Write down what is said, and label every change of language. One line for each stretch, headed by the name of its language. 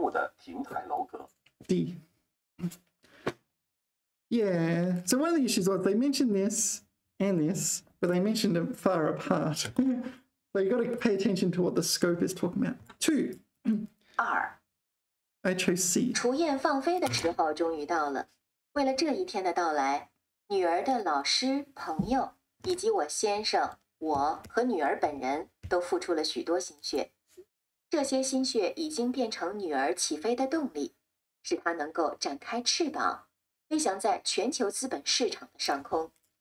Chinese: 人们开始为皇家一年一度前往承德避暑山庄的转移做准备，在那里有一片按照江南风格与神韵巧妙设计而成的园林，坐落着富有南方情调的豪华宫殿以及令人赏心悦目的亭台楼阁。D.
English: Yeah, so one of the issues was they mentioned this and this, but they mentioned them far apart. So you got to pay attention to what the scope is talking about. Two.
Chinese: 二,
English: I chose C.
Chinese: 雏燕放飞的时候终于到了。为了这一天的到来，女儿的老师、朋友以及我先生、我和女儿本人都付出了许多心血。这些心血已经变成女儿起飞的动力，使她能够展开翅膀，飞翔在全球资本市场的上空。